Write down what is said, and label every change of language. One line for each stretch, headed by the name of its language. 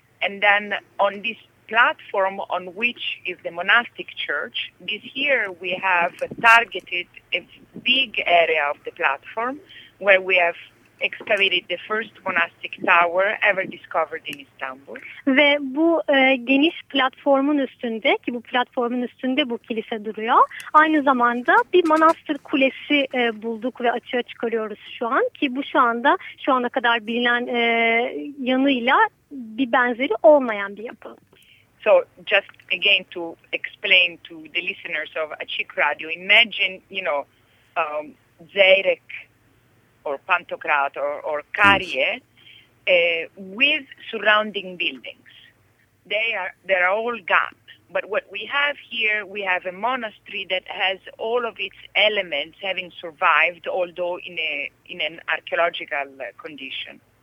English: And then on this platform on which is the monastic church, this year we have targeted a big area of the platform where we have excavated the first monastic tower ever discovered in Istanbul.
Turkish: Ve bu geniş platformun üstünde ki bu platformun üstünde bu kilise duruyor. Aynı zamanda bir manastır kulesi bulduk ve açığa çıkarıyoruz şu an ki bu şu ana kadar bilinen yanıyla bir benzeri olmayan bir yapı.
English: So just again to explain to the listeners of Açık Radyo, imagine, you know, Zeyrek or Pantokrat or Kariye with surrounding buildings. They are all gone. But what we have here, we have a monastery that has all of its elements having survived, although in an archaeological condition.